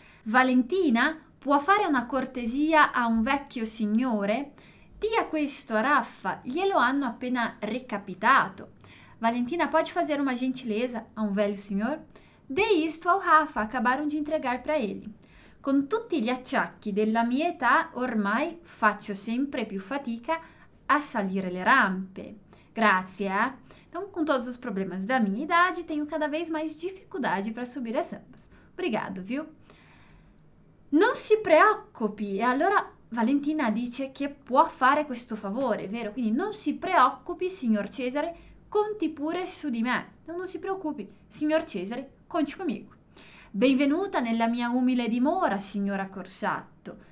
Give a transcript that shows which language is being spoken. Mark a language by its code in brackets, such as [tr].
[it] Valentina, può fare una cortesia a un vecchio signore? Dia questo a Raffa, glielo hanno appena recapitato. [pt] Valentina, pode fazer uma gentileza a um velho senhor? Dê isto ao Rafa, acabaram de entregar para ele. [it] Com tutti gli acciacchi della mia età, ormai faccio sempre più fatica a salire le rampe. Grazie, eh? [pt] Então, com todos os problemas da minha idade, tenho cada vez mais dificuldade para subir as rampas. Obrigado, viu? Não se preocupe. [it] E allora Valentina dice che può fare questo favore, vero? Quindi non si preoccupi, signor Cesare, conti pure su di me. Non si preoccupi, signor Cesare, conti comigo. Benvenuta nella mia umile dimora, signora Corsatto.